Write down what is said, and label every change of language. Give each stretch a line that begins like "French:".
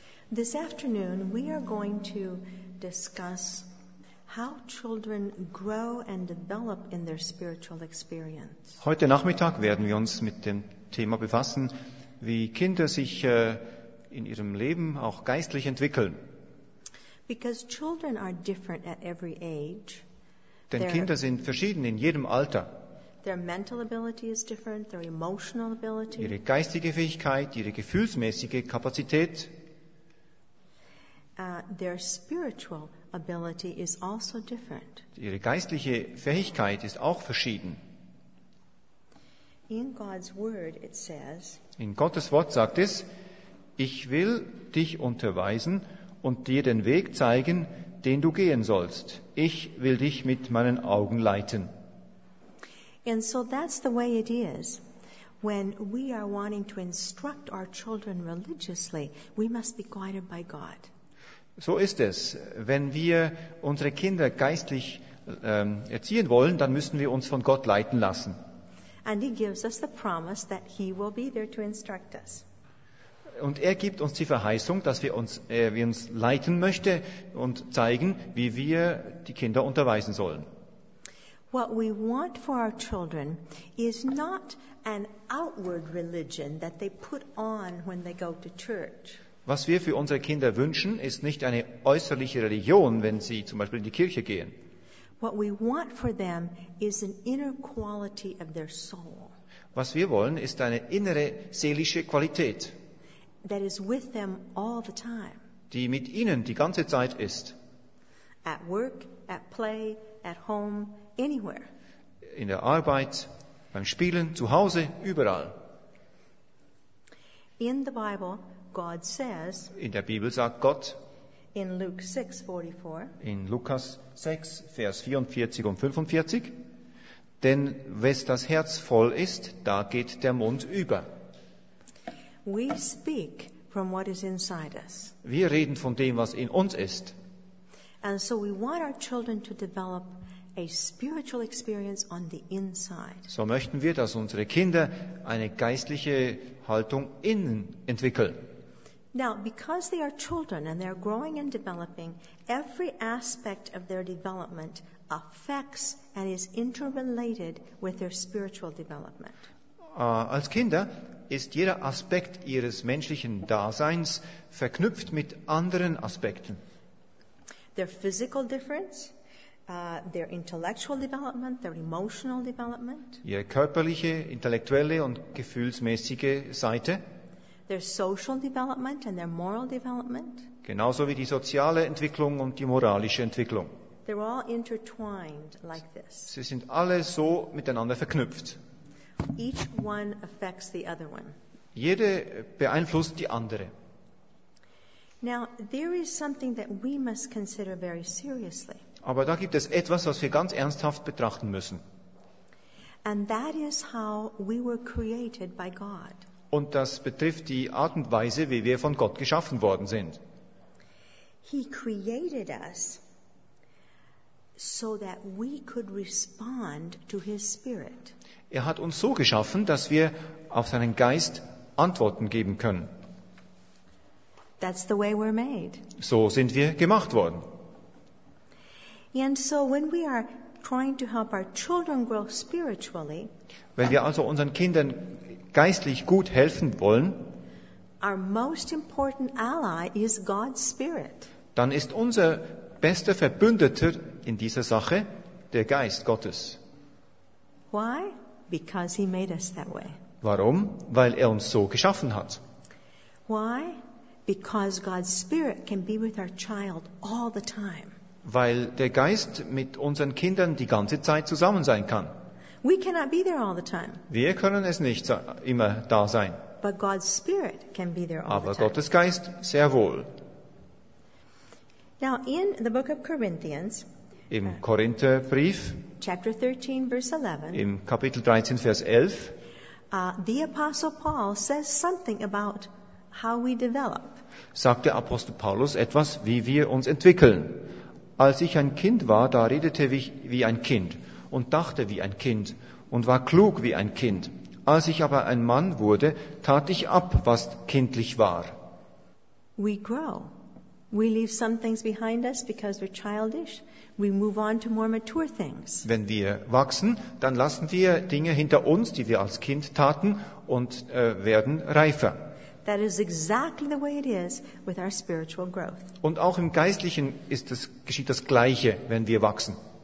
English: This afternoon, we are going to discuss how children grow and develop in their spiritual experience.
German: Heute Nachmittag werden wir uns mit dem Thema befassen, wie Kinder sich in ihrem Leben auch geistlich entwickeln.
English: Because children are different at every age.
German: Denn Kinder sind verschieden in jedem Alter.
English: Their mental ability is different, their emotional ability.
German: Ihre geistige Fähigkeit, ihre gefühlsmäßige Kapazität.
English: Their spiritual ability is also different.
German: Ihre geistliche Fähigkeit ist auch verschieden.
English: In God's word it says,
German: in Gottes Wort sagt es, ich will dich unterweisen und dir den Weg zeigen, den du gehen sollst. Ich will dich mit meinen Augen leiten.
English: And so that's the way it is. When we are wanting to instruct our children religiously, we must be guided by God.
German: So ist es. Wenn wir unsere Kinder geistlich erziehen wollen, dann müssen wir uns von Gott leiten lassen.
English: And he gives us the promise that he will be there to instruct us.
German: Und er gibt uns die Verheißung, dass wir uns leiten möchte und zeigen, wie wir die Kinder unterweisen sollen.
English: What we want for our children is not an outward religion that they put on when they go to church.
German: Was wir für unsere Kinder wünschen, ist nicht eine äußerliche Religion, wenn sie zum Beispiel in die Kirche gehen.
English: What we want for them is an inner quality of their soul.
German: Was wir wollen, ist eine innere seelische Qualität.
English: That is with them all the time.
German: Die mit ihnen die ganze Zeit ist.
English: At work, at play, at home, anywhere.
German: In der Arbeit, beim Spielen, zu Hause, überall.
English: In the Bible, God says,
German: in der Bibel sagt Gott,
English: in Luke 6:44,
German: in Lukas 6, Vers 44 und 45, denn wes das Herz voll ist, da geht der Mund über.
English: We speak from what is inside us.
German: Wir reden von dem, was in uns ist.
English: And so we want our children to develop a spiritual experience on the inside.
German: So möchten wir, dass unsere Kinder eine geistliche Haltung innen entwickeln.
English: Now, because they are children and they are growing and developing, every aspect of their development affects and is interrelated with their spiritual development.
German: Als Kinder ist jeder Aspekt ihres menschlichen Daseins verknüpft mit anderen Aspekten.
English: Their physical difference, their intellectual development, their emotional development.
German: Ihre körperliche, intellektuelle und gefühlsmäßige Seite.
English: Their social development and their moral development.
German: Genauso wie die soziale Entwicklung und die moralische Entwicklung.
English: They're all intertwined like this.
German: Sie sind alle so miteinander verknüpft.
English: Each one affects the other one.
German: Jede beeinflusst die andere.
English: Now, there is something that we must consider very seriously.
German: Aber da gibt es etwas, was wir ganz ernsthaft betrachten müssen.
English: And that is how we were created by God.
German: Und das betrifft die Art und Weise, wie wir von Gott geschaffen worden sind.
English: He created us so that we could respond to his spirit.
German: Er hat uns so geschaffen, dass wir auf seinen Geist Antworten geben können.
English: That's the way we're made.
German: So sind wir gemacht worden.
English: And so when we are trying to help our children grow spiritually,
German: wenn wir also unseren Kindern geistlich gut helfen wollen,
English: our most important ally is God's spirit.
German: Dann ist unser bester Verbündeter in dieser Sache der Geist Gottes.
English: Why? Because he made us that way.
German: Warum? Weil er uns so geschaffen hat.
English: Why? Because God's spirit can be with our child all the time.
German: Weil der Geist mit unseren Kindern die ganze Zeit zusammen sein kann.
English: We cannot be there all the time.
German: Wir können es nicht immer da sein.
English: But God's spirit can be there all
German: Aber
English: the time.
German: Gottes Geist sehr wohl.
English: Now in the book of Corinthians,
German: im Korintherbrief,
English: chapter 13, verse 11,
German: im Kapitel 13, Vers 11,
English: the Apostle Paul says something about how we develop.
German: Sagt der Apostel Paulus etwas, wie wir uns entwickeln. Als ich ein Kind war, da redete ich wie ein Kind und dachte wie ein Kind und war klug wie ein Kind. Als ich aber ein Mann wurde, tat ich ab, was kindlich war.
English: We grow. We leave some things behind us because we're childish. We move on to more mature things.
German: Wenn wir wachsen, dann lassen wir Dinge hinter uns, die wir als Kind taten, und werden reifer.
English: That is exactly the way it is with our spiritual growth.
German: Und auch im Geistlichen ist das, geschieht das Gleiche, wenn wir wachsen.